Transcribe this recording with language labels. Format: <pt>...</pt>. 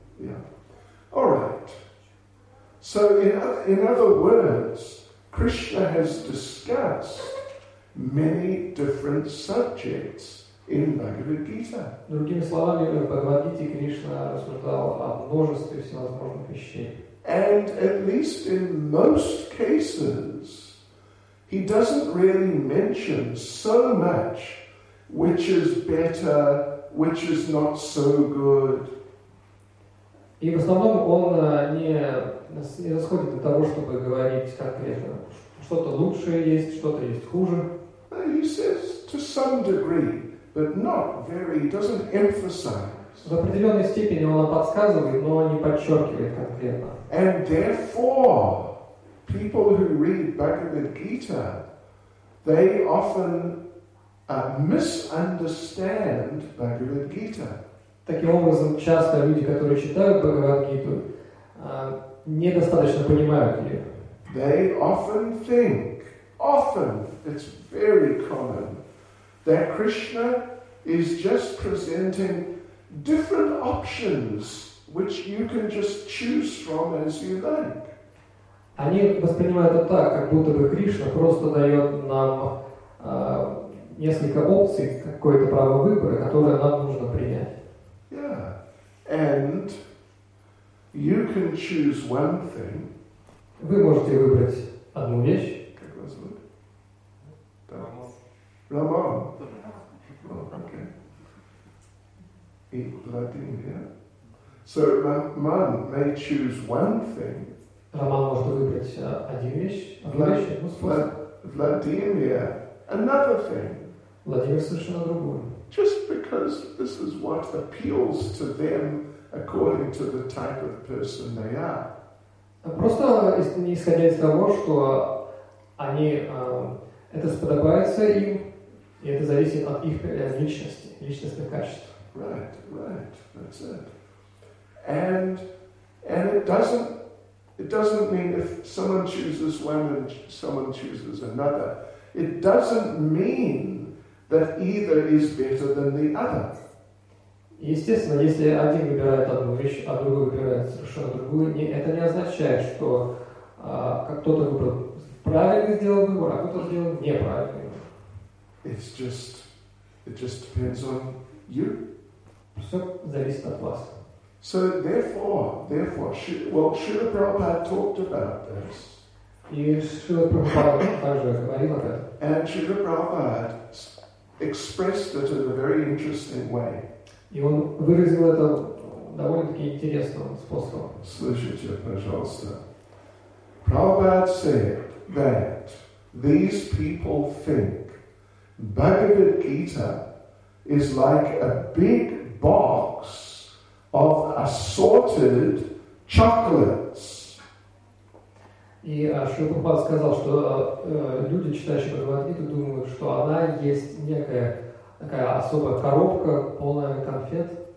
<en>Yeah. All right. So in other words, Krishna has discussed many different subjects in Bhagavad Gita.</en> <ru>Другими словами, в Бхагавад Гите Кришна рассуждал о множестве всевозможных вещей.</ru> <en>And at least in most cases, he doesn't really mention so much which is better, which is not so good.</en> <ru>И в основном он не расходит до того, чтобы говорить конкретно, что-то лучшее есть, что-то есть хуже.</ru> <en>He says to some degree, but not very, doesn't emphasize.</en> <ru>В определенной степени он подсказывает, но не подчеркивает конкретно.</ru> <en>And therefore, people who read Bhagavad Gita, they often misunderstand Bhagavad Gita.</en> <ru>Таким образом, часто люди, которые читают Бхагавад-гиту, недостаточно понимают ее.</ru> <en>They often think, often, it's very common, that Krishna is just presenting different options which you can just choose from as you like.</en> <ru>Они воспринимают это так, как будто бы Кришна просто дает нам несколько опций, какое-то право выбора, которое нам нужно принять.</ru> <en>Yeah, and you can choose one thing.</en> <ru>Вы можете выбрать одну вещь. Как вас зовут? Рамон. Окей. И Владимир.</ru> <en>So Rahman may choose one thing.</en> <ru>Рамон может выбрать одну вещь.</ru> <en>Владимир. Another thing.</en> <ru>Владимир совершенно другой.</ru> <en>Just because this is what appeals to them according to the type of person they are.</en> <ru>Просто не исходя из того, что они это сподобается им, и это зависит от их личности, личностных качеств.</ru> <en>Right, right, that's it. And it doesn't mean if someone chooses one and someone chooses another, it doesn't mean that either is better than the other.</en> <ru>Естественно, если один выбирает одну вещь, а другой выбирает совершенно другую, это не означает, что кто-то выбрал правильно сделал выбор, а кто-то сделал неправильный выбор.</ru> <en>It just depends on you.</en> <ru>Все зависит от вас.</ru> <en>So therefore, Srila Prabhupada talked about this.</en> <ru>И Srila Prabhupada также говорил об этом.</ru> <en>And Srila Prabhupada expressed it in a very interesting way.</en> <ru>И он выразил это довольно-таки интересным способом. Слушайте, пожалуйста.</ru> <en>Prabhupada said that these people think Bhagavad Gita is like a big box of assorted chocolates.</en> <ru>И Шрила Прабхупада сказал, что люди, читающие Бхагавад Гиту, думают, что она есть некая такая особая коробка, полная конфет.</ru>